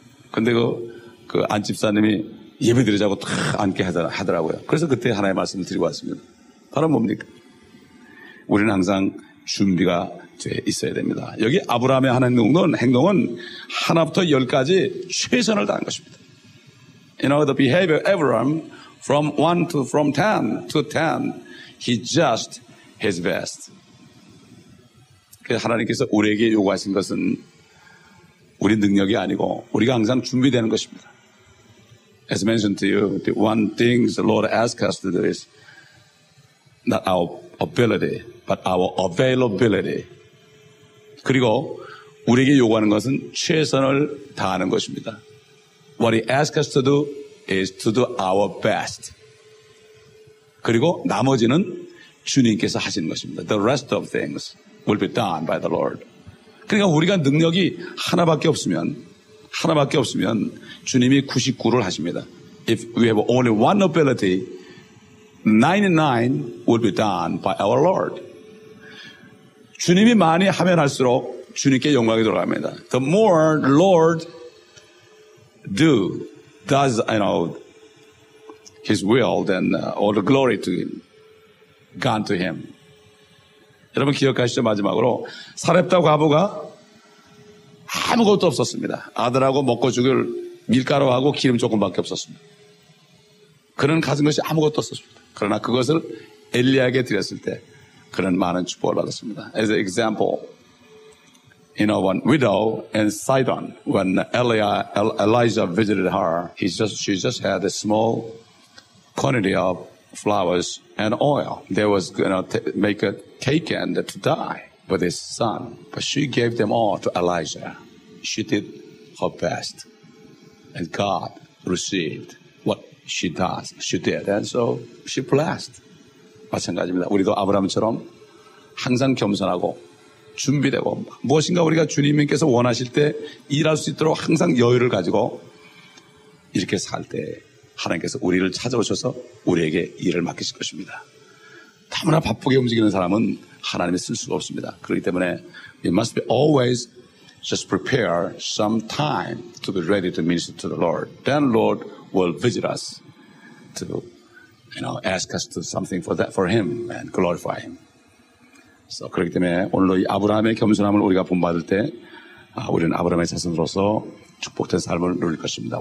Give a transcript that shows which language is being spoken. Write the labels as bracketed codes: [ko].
[ko] 근데 그 안 집사님이 예배 드리자고 다 앉게 하더라고요. 그래서 그때 하나의 말씀을 드리고 왔습니다. 바로 뭡니까? 우리는 항상 준비가 돼 있어야 됩니다. 여기 아브라함의 한 행동은 하나부터 열까지 최선을 다한 것입니다. [en] You know the behavior of Abraham from 1 to from 10 to 10 he just his best. [ko] 하나님께서 우리에게 요구하신 것은 우리 능력이 아니고 우리가 항상 준비되는 것입니다. [en] As mentioned to you, the one thing the Lord asks us to do is not our ability, but our availability. [ko] 그리고 우리에게 요구하는 것은 최선을 다하는 것입니다. [en] What He asks us to do is to do our best. [ko] 그리고 나머지는 주님께서 하시는 것입니다. [en] The rest of things will be done by the Lord. [ko] 그러니까 우리가 능력이 하나밖에 없으면 주님이 99를 하십니다. [en] If we have only one ability, 99 will be done by our Lord. [ko] 주님이 많이 하면 할수록 주님께 영광이 돌아갑니다. [en] The more Lord does you know his will, then all the glory to him, gone to him. [ko] 여러분 기억하시죠? 마지막으로 사렙다 과부가 아무것도 없었습니다. 아들하고 먹고 죽을 밀가루하고 기름 조금밖에 없었습니다. 그는 가진 것이 아무것도 없었습니다. 그러나 그것을 엘리야에게 드렸을 때 그는 많은 축복을 받았습니다. [en] As an example, you know, one widow in Sidon, when Elijah visited her, she just had a small quantity of flowers and oil. They was going to make a cake and to die for this son. But she gave them all to Elijah. She did her best. And God received what she does. She did. And so she blessed. [ko] 마찬가지입니다. 우리도 아브라함처럼 항상 겸손하고 준비되고 무엇인가 우리가 주님께서 원하실 때 일할 수 있도록 항상 여유를 가지고 이렇게 살 때 하나님께서 우리를 찾아오셔서 우리에게 일을 맡기실 것입니다. 다문화 바쁘게 움직이는 사람은 하나님이 쓸 수가 없습니다. 그렇기 때문에 [en] we must be always just prepare some time to be ready to minister to the Lord. Then Lord will visit us to you know ask us to do something for that for him and glorify him. [ko] So 그렇기 때문에 오늘도 이 아브라함의 겸손함을 우리가 본받을 때 우리는 아브라함의 자손으로서 축복된 삶을 누릴 것입니다.